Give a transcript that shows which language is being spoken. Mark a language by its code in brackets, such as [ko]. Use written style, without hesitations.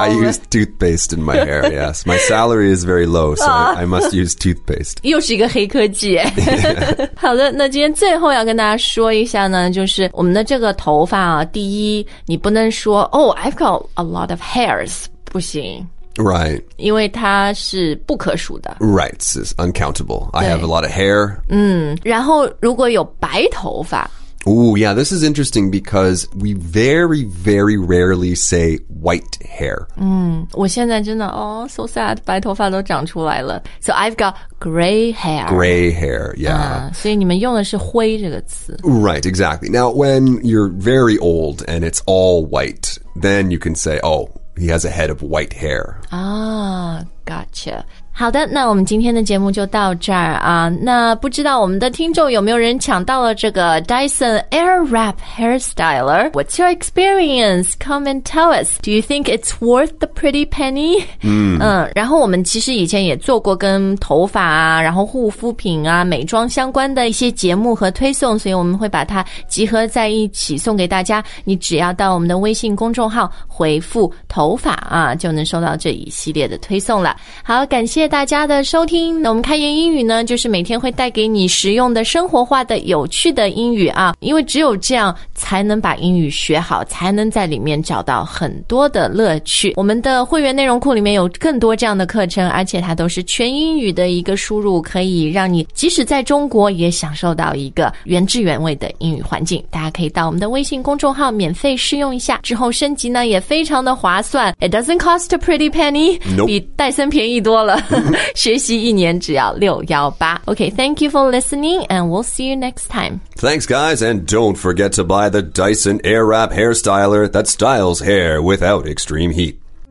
[en] I use toothpaste in my hair, yes. My salary is very low, so I must use toothpaste. [zh] 又是一个黑科技。好的，那今天最后要跟大家说一下呢，就是我们的这个头发啊，第一，你不能说 [en] Oh, I've got a lot of hairs. [zh] 不行。 [en] Right. [zh] 因为它是不可数的。 [en] Right, it's uncountable. I have a lot of hair. [zh] 嗯，然后如果有白头发。 [en] Oh, yeah, this is interesting because we very, very rarely say white hair. [zh] 嗯，我现在真的 [en] so sad, [zh] 白头发都长出来了。 [en] So I've got gray hair. Gray hair, yeah. [zh] 所以你们用的是灰这个词。 [en] Right, exactly. Now, when you're very old and it's all white, then you can say, oh, he has a head of white hair. Gotcha. [zh] 好的，那我们今天的节目就到这儿啊。那不知道我们的听众有没有人抢到了这个 Dyson Airwrap Hairstyler? [en] What's your experience? Come and tell us. Do you think it's worth the pretty penny? [zh] 嗯，然后我们其实以前也做过跟头发啊，然后护肤品啊，美妆相关的一些节目和推送，所以我们会把它集合在一起送给大家。你只要到我们的微信公众号回复头发啊，就能收到这一系列的推送了。好，感谢。谢谢大家的收听。那我们开言英语呢，就是每天会带给你实用的、生活化的、有趣的英语啊。因为只有这样，才能把英语学好，才能在里面找到很多的乐趣。我们的会员内容库里面有更多这样的课程，而且它都是全英语的一个输入，可以让你即使在中国也享受到一个原汁原味的英语环境。大家可以到我们的微信公众号免费试用一下，之后升级呢也非常的划算。 [en] It doesn't cost a pretty penny, nope. [zh] 比戴森便宜多了。学习一年只要618。 [en] Okay, thank you for listening, and we'll see you next time. Thanks, guys, and don't forget to buy the Dyson Airwrap Hairstyler that styles hair without extreme heat.